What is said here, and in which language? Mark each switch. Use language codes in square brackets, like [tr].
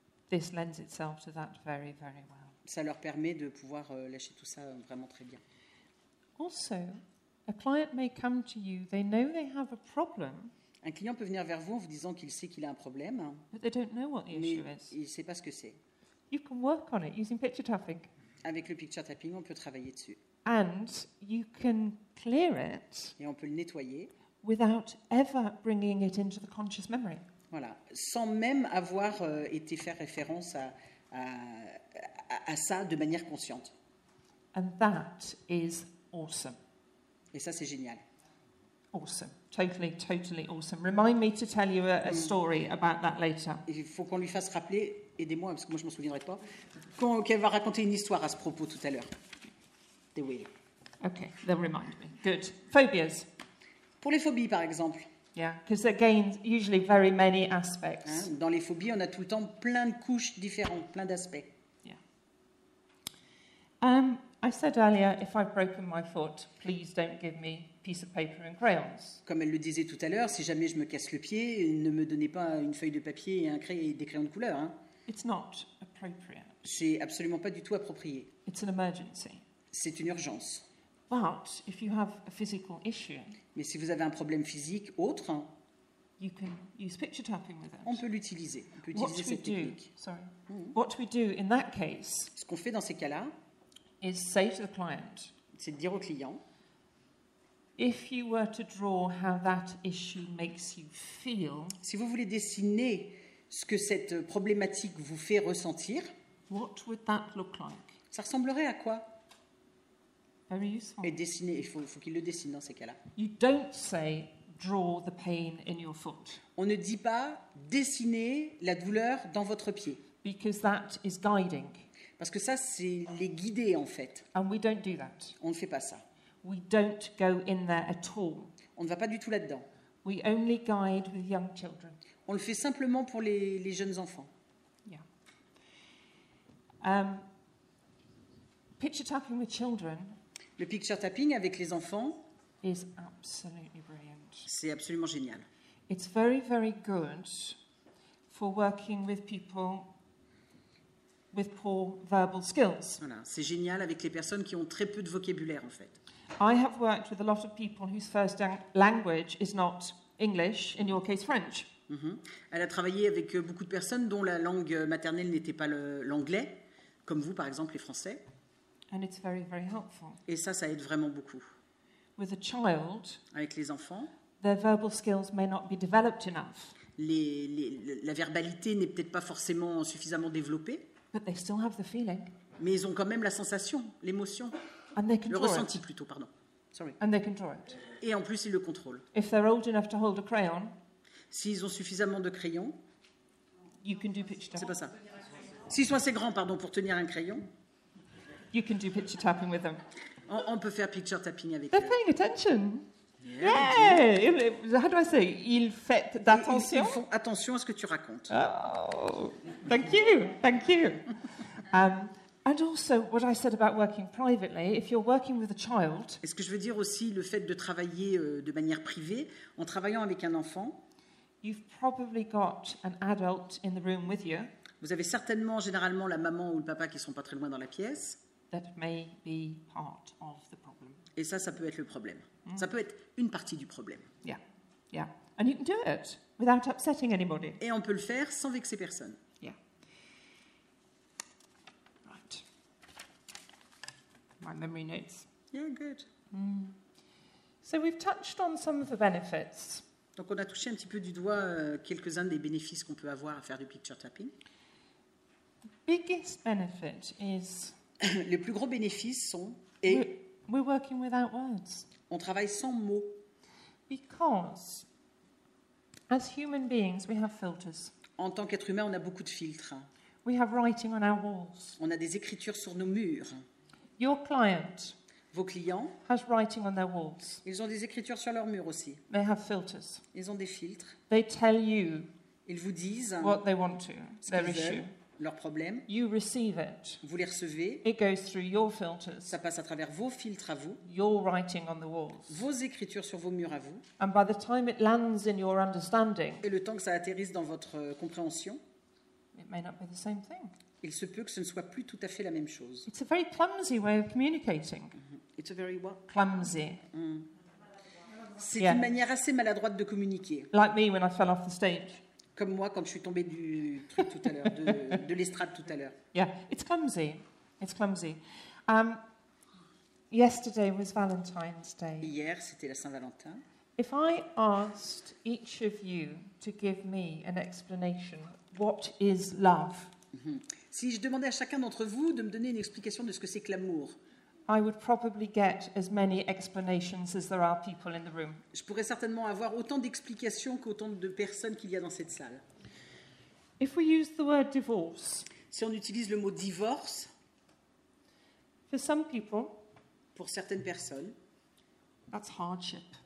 [en] this lends itself to that very, very well. [fr] ça leur permet de pouvoir lâcher tout ça vraiment très bien. [en] Also, a client may come to you, they know they have a problem. [fr] Un client peut venir vers vous en vous disant qu'il sait qu'il a un problème, [en] but they don't know what the [fr] mais [en] issue is. [fr] Il ne sait pas ce que c'est. [en] You can work on it using picture tapping. [fr] Avec le picture tapping, on peut travailler dessus. [en] And you can clear it. [fr] Et on peut le nettoyer. [en] Without ever bringing it into the conscious memory. [fr] Voilà, sans même avoir été faire référence à ça de manière consciente. [en] And that is awesome. [fr] Et ça c'est génial. [en] Awesome, totally, totally awesome. Remind me to tell you a story about that later. [fr] Il faut qu'on lui fasse rappeler, aidez-moi parce que moi je m'en souviendrai pas, qu'elle va raconter une histoire à ce propos tout à l'heure. [en] They will. Okay, they'll remind me. Good. Phobias. [fr] Pour les phobies, par exemple. [en] Yeah, because again, usually very many aspects. [fr] Hein, dans les phobies, on a tout le temps plein de couches différentes, plein d'aspects. [en] Yeah. I said earlier, if I've broken my foot, please don't give me piece of paper and crayons. [fr] Comme elle le disait tout à l'heure, si jamais je me casse le pied, ne me donnez pas une feuille de papier et des crayons de couleur. Hein. [en] It's not appropriate. [fr] C'est absolument pas du tout approprié. [en] It's an emergency. [fr] C'est une urgence. [en] But if you have a physical issue, [fr] mais si vous avez un problème physique autre, [en] you can use picture tapping with it. [fr] On peut l'utiliser. On peut utiliser cette technique. [en] Sorry. Mm-hmm. What we do in that case, [fr] ce qu'on fait dans ces cas-là, [en] is say to the client, [fr] c'est de dire au client, [en] if you were to draw how that issue makes you feel, [fr] si vous voulez dessiner ce que cette problématique vous fait ressentir, [en] what would that look like? [fr] Ça ressemblerait à quoi? [en] Very useful. [fr] Et dessiner, il faut qu'il le dessine dans ces cas-là. [en] You don't say draw the pain in your foot. [fr] On ne dit pas dessiner la douleur dans votre pied. [en] Because that is guiding. [fr] Parce que ça, c'est les guider en fait. [en] And we don't do that. [fr] On ne fait pas ça. [en] We don't go in there at all. [fr] On ne va pas du tout là-dedans. [en] We only guide with young children. On le fait simplement pour les jeunes enfants. Yeah. Picture tapping with children. [fr] Le picture tapping avec les enfants [en] is absolutely brilliant. [fr] C'est absolument génial. [en] It's very, very good for working with people with poor verbal skills. [fr] Voilà, c'est génial avec les personnes qui ont très peu de vocabulaire en fait. [en] I have worked with a lot of people whose first language is not English, in your case French. Mm-hmm. [fr] Elle a travaillé avec beaucoup de personnes dont la langue maternelle n'était pas l'anglais, comme vous par exemple les Français. [en] And it's very, very helpful. [fr] Et ça aide vraiment beaucoup. [en] With a child, [fr] avec les enfants, [en] their verbal skills may not be developed enough. [fr] La verbalité n'est peut-être pas forcément suffisamment développée. [en] But they still have the feeling. [fr] Mais ils ont quand même la sensation, l'émotion. [en] And they can [fr] le [en] draw [fr] ressenti [en] it. [fr] Plutôt, pardon. [en] Sorry. And they can draw it. [fr] Et en plus, ils le contrôlent. [en] If they're old enough to hold a crayon, [fr] s'ils ont suffisamment de crayons, you can do picture tapping. C'est pas ça. S'ils sont assez grands, pardon, pour tenir un crayon, [en] you can do picture tapping with them. [fr] On peut faire picture tapping avec [en] they're [fr] eux. [en] Paying attention. Yeah. Yeah. How do I say? [fr] Ils font attention. Ils font attention à ce que tu racontes. [en] Oh, thank you, thank you. And also, what I said about working privately, if you're working with a child. [fr] Est-ce que je veux dire aussi le fait de travailler de manière privée en travaillant avec un enfant? [en] You've probably got an adult in the room with you. [fr] Vous avez certainement généralement la maman ou le papa qui sont pas très loin dans la pièce. [en] That may be part of the problem. [fr] Et ça peut être le problème. Mm. Ça peut être une partie du problème. [en] Yeah. Yeah. And you can do it without upsetting anybody. [fr] Et on peut le faire sans vexer personne. [en] Yeah. Right. My memory notes. Yeah, good. Mm. So we've touched on some of the benefits. [fr] Donc on a touché un petit peu du doigt quelques-uns des bénéfices qu'on peut avoir à faire du picture tapping. [en] The biggest benefit is [fr] les plus gros bénéfices sont [en] we're working without words. [fr] On travaille sans mots. [en] Because as human beings, we have filters. [fr] En tant qu'être humain, on a beaucoup de filtres. [en] We have writing on our walls. [fr] On a des écritures sur nos murs. [en] Your client, [fr] vos clients, [en] has writing on their walls. [fr] Ils ont des écritures sur leurs murs aussi. [en] They have filters. [fr] Ils ont des filtres. [en] They tell you. [fr] Ils vous disent [en] what they want to. Their issue. [fr] Leur problème. [en] You receive it. [fr] Vous les recevez. [en] It goes through your filters. [fr] Ça passe à travers vos filtres à vous. [en] Your writing on the walls. [fr] Vos écritures sur vos murs à vous. [en] And by the time it lands in your understanding, [fr] et le temps que ça atterrisse dans votre compréhension, [en] it may not be the same thing. [fr] Il se peut que ce ne soit plus tout à fait la même chose. [en] It's a very clumsy way of communicating. It's a very what? Clumsy. Mm. [fr] C'est yeah. une manière assez maladroite de communiquer. [en] Like me when I fell off the stage. [fr] Comme moi quand je suis tombée du truc tout à l'heure, de l'estrade tout à l'heure. [en] Yeah, it's clumsy. It's clumsy. Yesterday was Valentine's Day. [fr] Hier, c'était la Saint-Valentin. [en] If I asked each of you to give me an explanation, what is love? Mm-hmm. [fr] Si je demandais à chacun d'entre vous de me donner une explication de ce que c'est que l'amour, [en] I would probably get as many explanations as there are people in the room. [fr] Je pourrais certainement avoir autant d'explications qu'autant de personnes qu'il y a dans cette salle. [en] If we use the word divorce, [fr] si on utilise le mot divorce, [en] for some people, [fr] pour certaines personnes, [en] that's hardship.